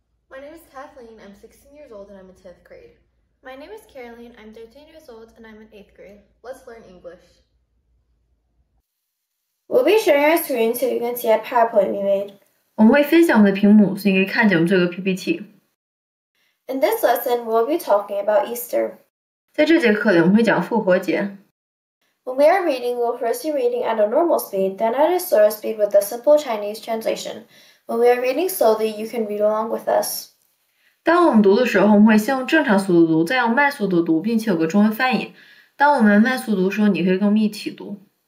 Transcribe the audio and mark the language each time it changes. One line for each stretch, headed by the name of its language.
English: My name is Kathleen, I'm 16 years old and I'm in 10th grade. My name is Caroleen, I'm 13 years old and I'm in 8th grade. Let's learn English. We'll be sharing our screen so you can see a PowerPoint we made.
Chinese: 我们会分享我们的屏幕所以你可以看见我们这个 PPT。
English: In this lesson, we'll be talking about Easter.
Chinese: 在这节课里我们会讲复活节。
English: When we are reading, we'll first be reading at a normal speed, then at a slower speed with a simple Chinese translation. When we are reading slowly, you can read along with us.
Chinese: 当我们读的时候，我们会先用正常速度读，再用慢速度读，并且有个中文翻译。当我们慢速读的时候，你可以跟我们一起读。